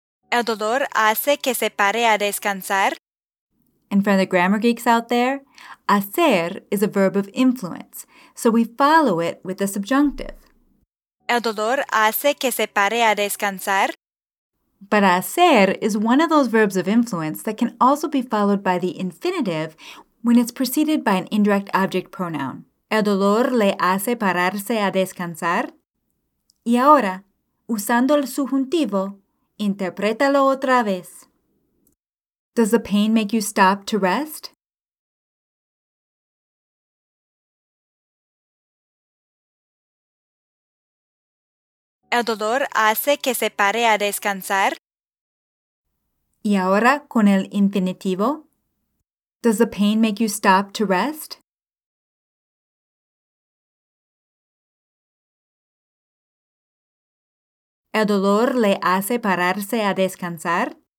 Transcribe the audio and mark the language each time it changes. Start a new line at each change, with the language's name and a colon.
Spanish: ¿El dolor hace que se pare a descansar?
English: And for the grammar geeks out there, hacer is a verb of influence, so we follow it with the subjunctive.
Spanish: El dolor hace que se pare a descansar.
English: But hacer is one of those verbs of influence that can also be followed by the infinitive when it's preceded by an indirect object pronoun.
Spanish: El dolor le hace pararse a descansar. Y ahora, usando el subjuntivo, interprétalo otra vez.
English: Does the pain make you stop to rest?
Spanish: El dolor hace que se pare a descansar. Y ahora con el infinitivo.
English: Does the pain make you stop to rest?
Spanish: El dolor le hace pararse a descansar.